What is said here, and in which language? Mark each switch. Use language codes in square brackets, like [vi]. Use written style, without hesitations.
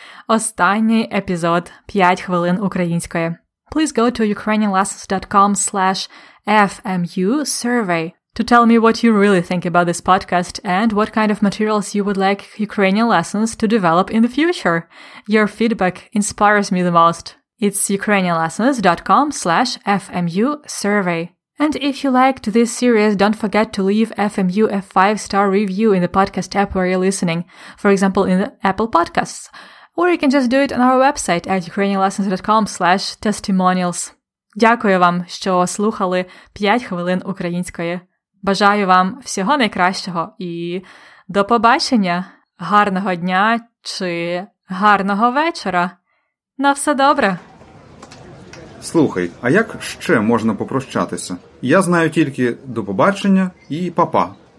[uk] Останній епізод 5 хвилин української. [en] Please go to ukrainianlessons.com/FMU survey to tell me what you really think about this podcast and what kind of materials you would like Ukrainian Lessons to develop in the future. Your feedback inspires me the most. It's ukrainianlessons.com/FMU survey. And if you liked this series, don't forget to leave FMU a 5-star review in the podcast app where you're listening, for example, in the Apple Podcasts. Or you can just do it on our website at ukrainianlessons.com/testimonials. [uk] Дякую вам, що слухали 5 хвилин української. Бажаю вам всього найкращого і до побачення. Гарного дня чи гарного вечора. На все добре! Слухай, а як ще можна попрощатися? Я знаю тільки «до побачення» і «па-па».